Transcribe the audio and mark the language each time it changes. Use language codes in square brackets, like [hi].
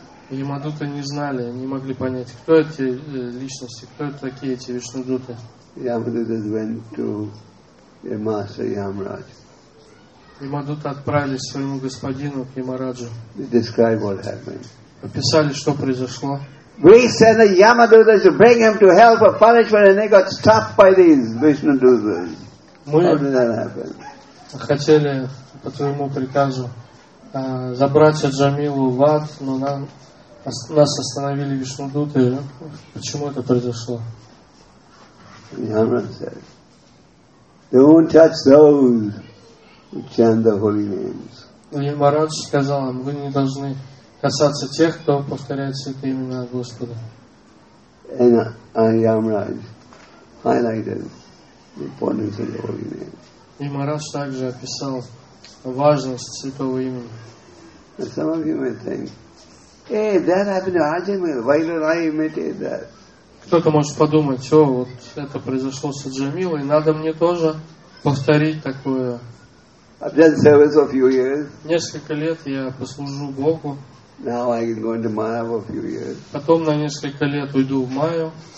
[ru] Ямадуты не знали, не могли понять, кто эти личности, кто это такие эти Вишнудуты. Ямадуты отправились к своему господину, к Ямараджу. [en] They describe what happened. [ru] Описали, что произошло. [en] We sent the Yamadutas to bring him to hell for punishment, and they got stopped by these Vishnudutas. How did that happen? [ru] Хотели по твоему приказу забрать Аджамилу в ад, но нас остановили Вишнудуты. Почему это произошло? [en] Ямарадж said, "Don't touch those who chant the holy names." [ru] Ямарадж сказал им, вы не должны касаться тех, кто повторяет святые имена Господа. [en] And Ямарадж highlighted the importance of the holy names. [ru] Ямарадж также описал важность святого имени. [en] And some of you may think, "Hey, that happened to Аджамила. Why did I imitate that?" [ru] Кто-то может подумать, о, вот это произошло с Аджамилой, надо мне тоже повторить такое. [en] I've done service for a few years. [ru] Несколько лет я послужу Богу. [en] Now I can go into Maya for a few years. [ru] Потом на несколько лет уйду в Майю.